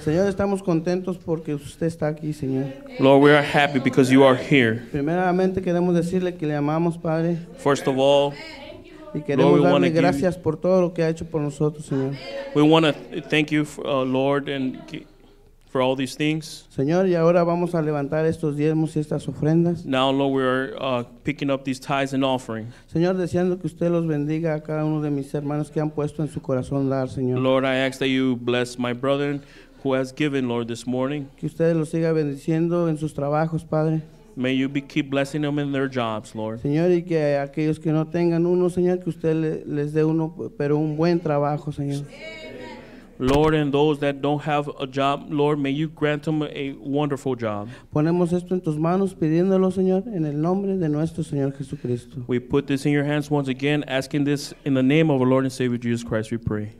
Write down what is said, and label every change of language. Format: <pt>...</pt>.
<es>Señor, estamos contentos porque usted está aquí, Señor.</es> <en>Lord, we are happy because you are here.</en> <es>Primeramente, queremos decirle que le amamos, Padre.</es> <en>First of all,</en> <es>y queremos</es> <en>Lord, we</en> <es>darle gracias por todo lo que ha hecho por nosotros, Señor.</es> <en>We want to thank you, Lord, and for all these things.</en> <es>Señor, y ahora vamos a levantar estos diezmos y estas ofrendas.</es> <en>Now, Lord, we are picking up these tithes and offering.</en> <es>Señor, deseando que usted los bendiga a cada uno de mis hermanos que han puesto en su corazón dar, Señor.</es> <en>Lord, I ask that you bless my brother who has given, Lord, this morning.</en> <es>Que usted los siga bendiciendo en sus trabajos, Padre.</es> <en>May you be keep blessing them in their jobs, Lord.</en> <es>Señor, y que aquellos que no tengan uno, Señor, que usted les dé uno, pero un buen trabajo, Señor.</es> <en>Lord, and those that don't have a job, Lord, may you grant them a wonderful job.</en> <es>Ponemos esto en tus manos, pidiéndolo, Señor, en el nombre de nuestro Señor Jesucristo.</es> <en>We put this in your hands once again, asking this in the name of our Lord and Savior Jesus Christ, we pray.</en>